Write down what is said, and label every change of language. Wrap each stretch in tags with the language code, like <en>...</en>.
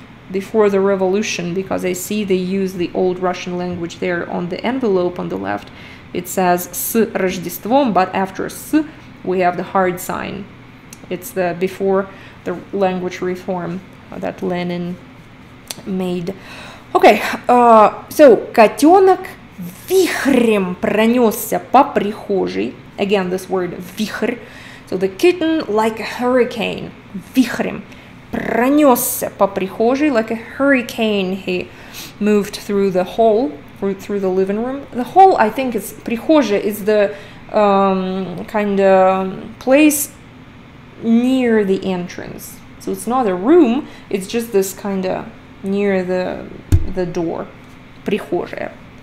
<en>Before the revolution, because I see they use the old Russian language there on the envelope on the left. It says S Rождеством, but after S, we have the hard sign. It's the before the language reform that Lenin made. Okay, so</en> <ru>котенок вихрем пронесся по прихожей.</ru> <en>Again, this word вихр. So the kitten like a hurricane.</en> <ru>Вихрем пронесся по прихожей.</ru> <en>Like a hurricane, he moved through the hall, through the living room. The hall, I think, is прихожая, is the kind of place near the entrance. So it's not a room, it's just this kind of near the door, прихожая.</en>